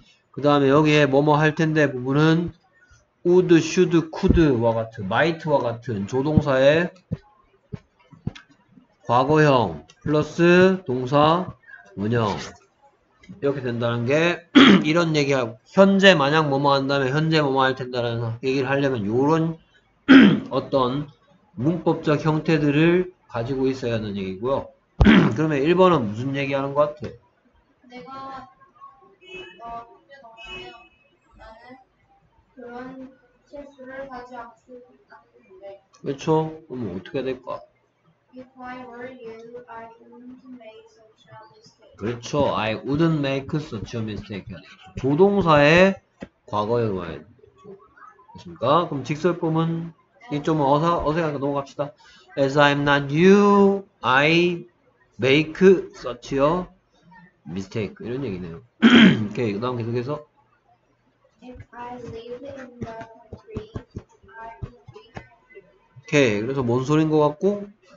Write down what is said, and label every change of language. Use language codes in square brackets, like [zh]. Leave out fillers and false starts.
[ko] 그 다음에 여기에 뭐뭐 할 텐데 부분은 would, should, could와 같은 might와 같은 조동사의 과거형 플러스 동사 운영 이렇게 된다는 게 이런 얘기하고 현재 만약 뭐뭐 한다면 현재 뭐뭐 할 텐다라는 얘기를 하려면 이런 어떤 문법적 형태들을 가지고 있어야 하는 얘기고요. 그러면 1번은 무슨 얘기하는 것 같아? 내가 너 현재 너 하면 나는 그런 실수를 하지 않을 것 같은데. 그렇죠. 그럼 어떻게 될까? [en] If I were you, I wouldn't make such a mistake. [ko] 그렇죠. [en] I wouldn't make such a mistake. [ko] 조동사의 과거형 와야 되죠. 그렇습니까? 그럼 직설법은 이 좀 어색하게 넘어갑시다. [en] As I'm not you, I make such a mistake. [ko] 이런 얘기네요. 오케이, 그 다음 계속해서. [en] If I live in the country, I will be. [ko] 오케이, 그래서 뭔 소린 것 같고?